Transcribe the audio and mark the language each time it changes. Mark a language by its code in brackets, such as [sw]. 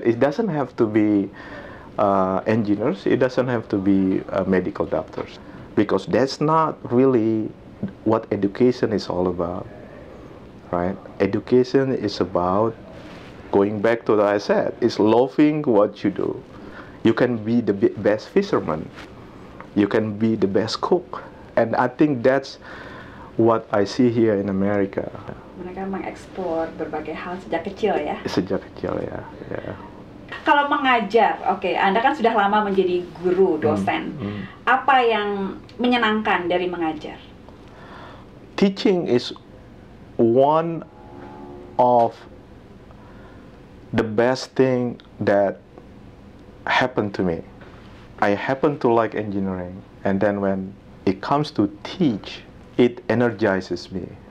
[en] It doesn't have to be engineers, it doesn't have to be medical doctors, because that's not really what education is all about, right? Education is about, going back to what I said, is loving what you do. You can be the best fisherman, you can be the best cook, and I think that's what I see here in America. [id] Mereka mengeksplor berbagai hal sejak kecil ya. Sejak kecil ya. Yeah. Kalau mengajar, okay, Anda kan sudah lama menjadi guru, dosen. Apa yang menyenangkan dari mengajar? [en] Teaching is one of the best thing that happened to me. I happen to like engineering, and then when it comes to teach, it energizes me.